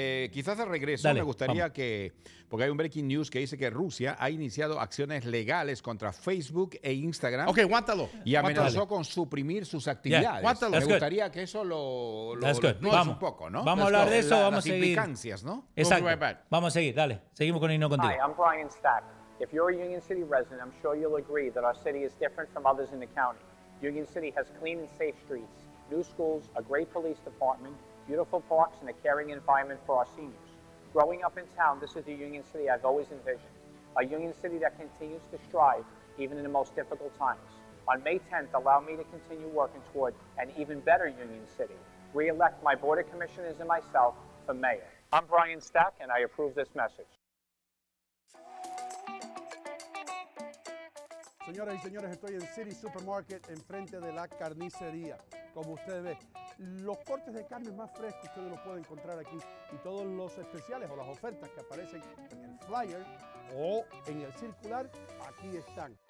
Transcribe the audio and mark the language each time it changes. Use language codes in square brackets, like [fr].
[es] Quizás de regreso. Dale, me gustaría que, porque hay un breaking news que dice que Rusia ha iniciado acciones legales contra Facebook e Instagram. Ok, aguántalo. Y amenazó con suprimir sus actividades. Aguántalo. Me gustaría que eso lo vamos un poco, ¿no? Vamos a hablar de eso, vamos a seguir. Las implicancias, ¿no? Exacto. Vamos a seguir, dale. Seguimos con Ino contigo. [en] Hi, I'm Brian Stack. If you're a Union City resident, I'm sure you'll agree that our city is different from others in the county. Union City has clean and safe streets, new schools, a great police department, beautiful parks, and a caring environment for our seniors. Growing up in town, this is the Union City I've always envisioned, a Union City that continues to strive even in the most difficult times. On May 10th, allow me to continue working toward an even better Union City. Re-elect my board of commissioners and myself for mayor. I'm Brian Stack, and I approve this message. [es] Señoras y señores, estoy en City Supermarket, enfrente de la carnicería. Como ustedes ven, los cortes de carne más frescos ustedes los pueden encontrar aquí y todos los especiales o las ofertas que aparecen en el flyer o en el circular, aquí están.